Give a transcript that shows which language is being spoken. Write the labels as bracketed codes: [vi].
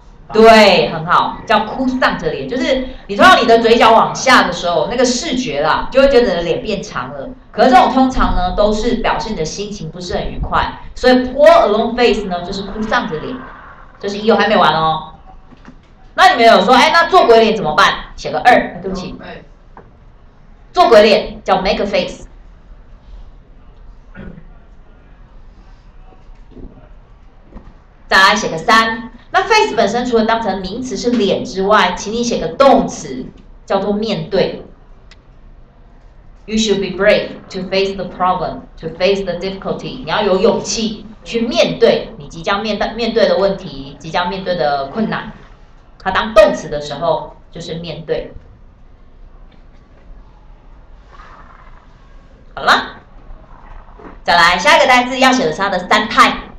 [zh] 对，很好，叫哭丧着脸，就是你通常你的嘴角往下的时候，那个视觉啦，就会觉得你的脸变长了。可是这种通常呢，都是表示你的心情不是很愉快，所以 [en] poor alone face [zh] 呢，就是哭丧着脸。这是一，我还没完哦。那你们有说，哎，那做鬼脸怎么办？写个二，对不起。做鬼脸叫 [en] make a face。 [zh] 再来写个三。那 face 本身除了当成名词是脸之外，请你写个动词，叫做面对。 [en] You should be brave to face the problem, to face the difficulty. [zh] 你要有勇气去面对你即将面对的问题，即将面对的困难。它当动词的时候就是面对。好了，再来下一个单字要写的是它的三态。